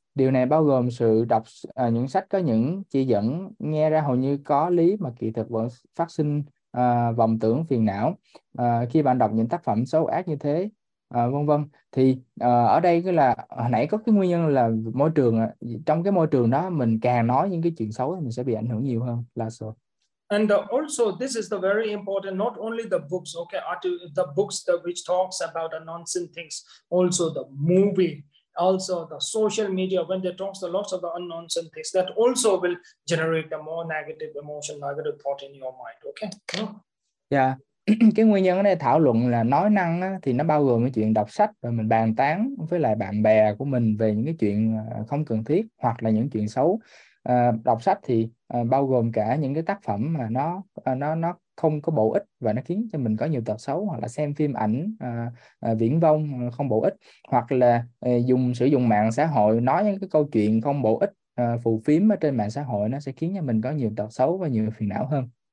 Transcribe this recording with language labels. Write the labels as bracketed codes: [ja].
[vi] Điều này bao gồm sự đọc những sách có những chỉ dẫn nghe ra hầu như có lý mà kỳ thực vẫn phát sinh vọng tưởng phiền não. Khi bạn đọc những tác phẩm xấu ác như thế, vân vân, thì ở đây cái là hồi nãy có cái nguyên nhân là môi trường, trong cái môi trường đó mình càng nói những cái chuyện xấu thì mình sẽ bị ảnh hưởng nhiều hơn. [en] Last one. And also, this is the very important, not only the books, okay, are the books that which talks about the nonsense things, also the movie, also the social media, when they talks a lot of the nonsense things, that also will generate a more negative emotion, negative thought in your mind, okay? Yeah. [vi] Cái nguyên nhân ở đây thảo luận là nói năng á, thì nó bao gồm cái chuyện đọc sách và mình bàn tán với lại bạn bè của mình về những cái chuyện không cần thiết hoặc là những chuyện xấu. Đọc sách thì bao gồm cả những cái tác phẩm mà nó không có bổ ích và nó khiến cho mình có nhiều tật xấu, hoặc là xem phim ảnh viển vông không bổ ích, hoặc là dùng sử dụng mạng xã hội nói những cái câu chuyện không bổ ích phù phiếm ở trên mạng xã hội, nó sẽ khiến cho mình có nhiều tật xấu và nhiều phiền não hơn.